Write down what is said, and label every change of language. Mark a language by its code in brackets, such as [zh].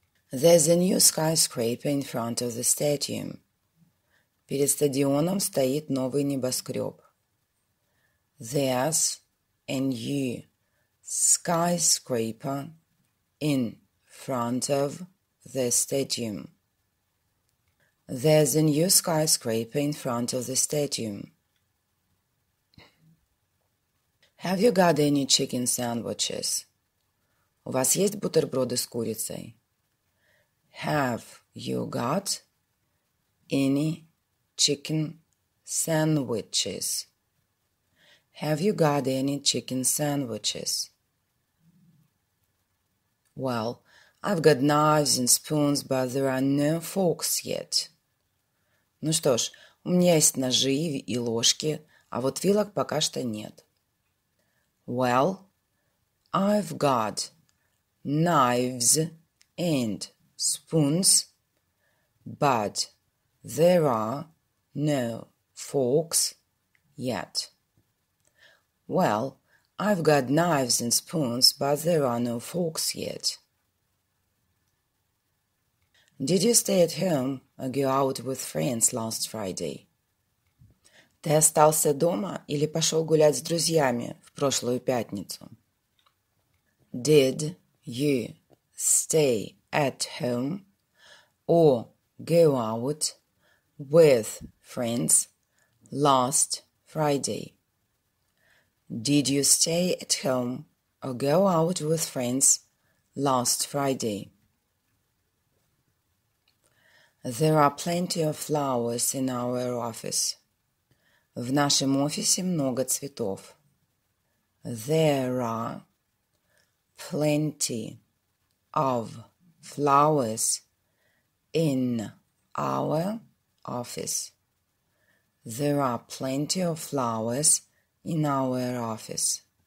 [en] There's a new skyscraper in front of the stadium. [ru] Перед стадионом стоит новый небоскреб. [en] There's a new skyscraper in front of the stadium. There's a new skyscraper in front of the stadium. Have you got any chicken sandwiches? [ru] У вас есть бутерброды с курицей? [en] Have you got any chicken sandwiches? Have you got any chicken sandwiches? Well, I've got knives and spoons, but there are no forks yet. [ru] Ну что ж, у меня есть ножи и ложки, а вот вилок пока что нет. [en] Well, I've got knives and spoons, but there are no forks yet. Well, I've got knives and spoons, but there are no forks yet. Did you stay at home or go out with friends last Friday? [ru] Ты остался дома или пошел гулять с друзьями в прошлую пятницу? [en] Did you stay at home or go out with friends last Friday? Did you stay at home or go out with friends last Friday? There are plenty of flowers in our office. [ru] В нашем офисе много цветов. [en] There are plenty of flowers in our office. There are plenty of flowers in our office.